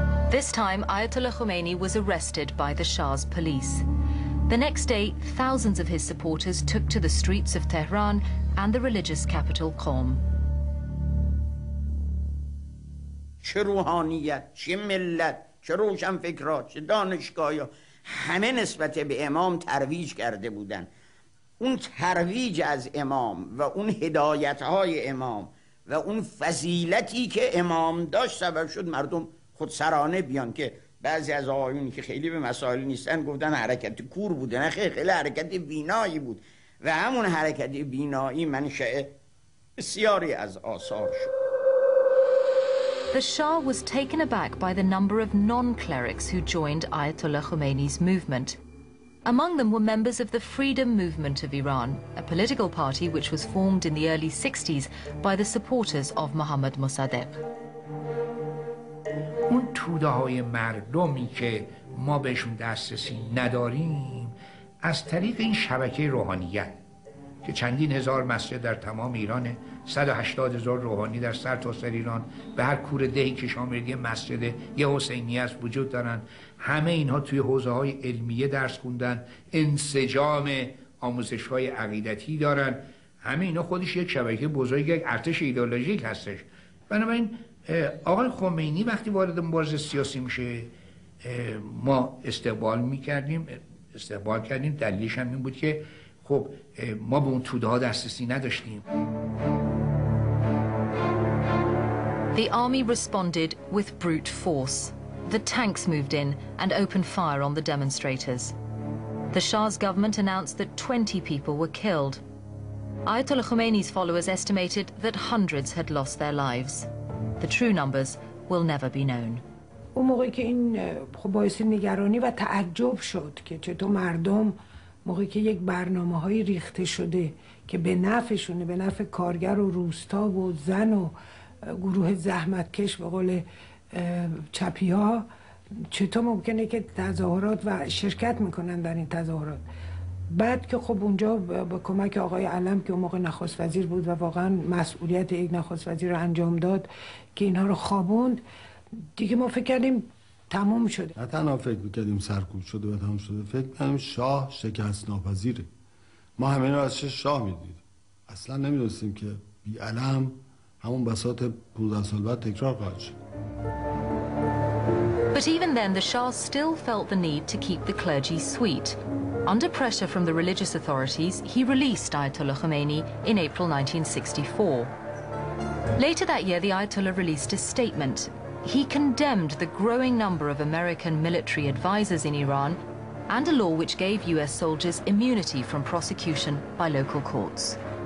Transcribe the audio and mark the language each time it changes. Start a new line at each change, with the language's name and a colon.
English: This time, Ayatollah Khomeini was arrested by the Shah's police. The next day, thousands of his supporters took to the streets of Tehran and the religious capital, Qom.
Persian: چه روحانیت، چه ملت، چه روشن فکرها، چه دانشگاه، همه نسبت به امام ترویج کرده بودن. اون ترویج از امام و اون هدایتهای امام و اون فضیلتی که امام داشت سبب شد مردم خودسرانه بیان، که بعضی از آقایونی که خیلی به مسائل نیستن گفتن حرکت کور بوده. نه خیلی، خیلی حرکت بینایی بود و همون حرکت بینایی منشأ بسیاری از آثار شد.
English: The Shah was taken aback by the number of non-clerics who joined Ayatollah Khomeini's movement. Among them were members of the Freedom Movement of Iran, a political party which was formed in the early 60s by the supporters of Mohammad Mossadegh.
Persian: اون توده‌های مردمی که ما بهشون دسترسی نداریم از طریق این شبکه روحانیت که چندین هزار مسجد در تمام ایرانه، 180 هزار روحانی در سر تا سر ایران، به هر کور دهی که شامل یه مسجد یه حسینی است وجود دارن. همه اینها توی حوزه های علمیه درس خوندن، انسجام آموزش های عقیدتی دارن، همه اینها خودش یک شبکه بزرگ، یک ارتش ایدئولوژیک هستش. بنابراین آقای خمینی وقتی وارد مبارزه سیاسی میشه ما استقبال میکردیم، استقبال کردیم. دلیلش هم این بود که خب ما به اون توده ها دسترسی نداشتیم.
English: The army responded with brute force. The tanks moved in and opened fire on the demonstrators. The Shah's government announced that 20 people were killed. Ayatollah Khomeini's followers estimated that hundreds had lost their lives. The true numbers will never be known.
Persian: اون موقعی که این خب باعث نگرانی و تعجب شد که چطور مردم موقعی که یک برنامه‌های ریخته شده که به نفعشونه، به نفع کارگر و روستا و زن و گروه زحمتکش به قول چپی ها، چطور ممکنه که تظاهرات و شرکت میکنن در این تظاهرات. بعد که خب اونجا با کمک آقای علم که اون موقع نخست وزیر بود و واقعا مسئولیت یک نخست وزیر رو انجام داد که اینها رو خوابوند، دیگه ما فکر کردیم تموم شده. نه تنها فکر میکردیم سرکوب شده و تموم شده، فکر میکردیم شاه شکست ناپذیره. ما همه رو از شاه میدیدیم، اصلا نمیدونستیم که بی علم همون بساط 15 سال بعد تکرار خواهد شد.
English: But even then the Shah still felt the need to keep the clergy sweet. Under pressure from the religious authorities, he released Ayatollah Khomeini in April 1964. Later that year the Ayatollah released a statement. He condemned the growing number of American military advisors in Iran and a law which gave US soldiers immunity from prosecution by local courts.